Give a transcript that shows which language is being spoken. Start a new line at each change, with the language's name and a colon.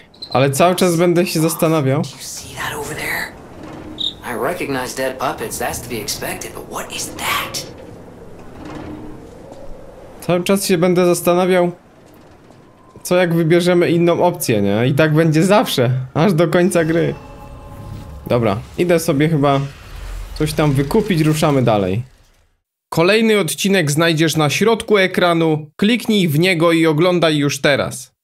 Polish: Ale cały czas będę się zastanawiał.
English: Do you see that over there? I recognize dead puppets. That's to be expected, but what is that?
Polish: Cały czas się będę zastanawiał, co jak wybierzemy inną opcję, nie? I tak będzie zawsze, aż do końca gry. Dobra, idę sobie chyba coś tam wykupić, ruszamy dalej. Kolejny odcinek znajdziesz na środku ekranu, kliknij w niego i oglądaj już teraz.